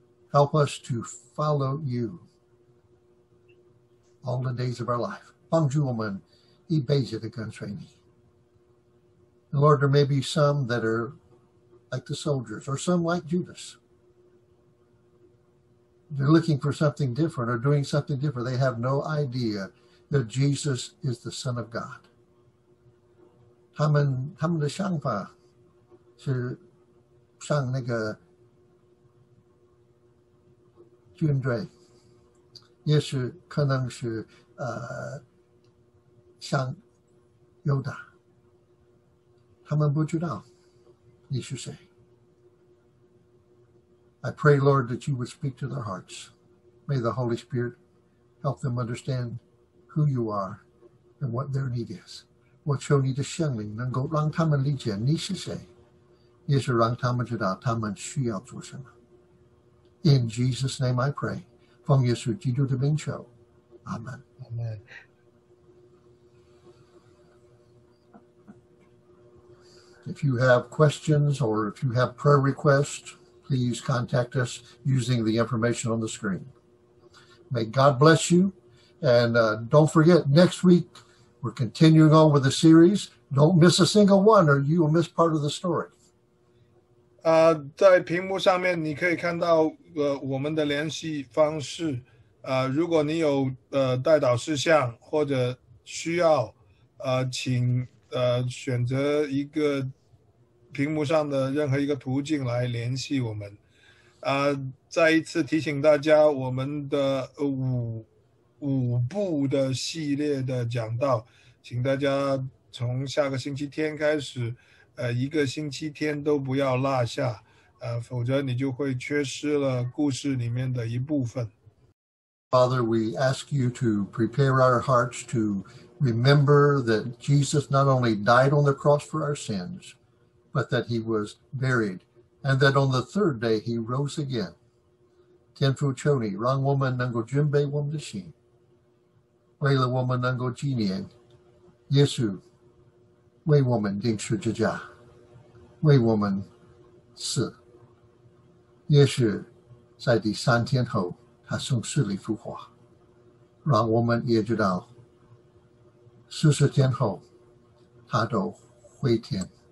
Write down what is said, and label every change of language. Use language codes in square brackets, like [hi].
[en] Help us to follow you all the days of our life. [zh] 帮助我们一辈子的跟随你。 [en] Lord, there may be some that are like the soldiers or some like Judas. They're looking for something different or doing something different. They have no idea that Jesus is the Son of God. [zh] 他们的想法是像那个 军队，也是可能是像犹大，他们不知道你是谁。 [en] I pray, Lord, that you would speak to their hearts. May the Holy Spirit help them understand who you are and what their need is. [zh] 我求你的圣灵能够让他们理解你是谁，也是让他们知道他们需要做什么。 [en] In Jesus' name I pray. [zh] 奉耶稣基督的名求。 [en] Amen. Amen. If you have questions or if you have prayer requests, please contact us using the information on the screen. May God bless you. And don't forget, next week, we're continuing on with the series. Don't miss a single one or you will miss part of the story. [zh] 在屏幕上面你可以看到我们的联系方式。如果你有代祷事项或者需要请选择一个屏幕上的任何一个途径来联系我们。再一次提醒大家，我们的五部的系列的讲道，请大家从下个星期天开始一个星期天都不要落下，否则你就会缺失了故事里面的一部分。 [en] Father, we ask you to prepare our hearts to remember that Jesus not only died on the cross for our sins, but that he was buried, and that on the third day he rose again. [zh] 天父求你让我们能够准备我们的心，为了我们能够纪念耶稣为我们钉十字架，为我们死，也是在第三天后他从死里复活，让我们也知道40天后他都回天。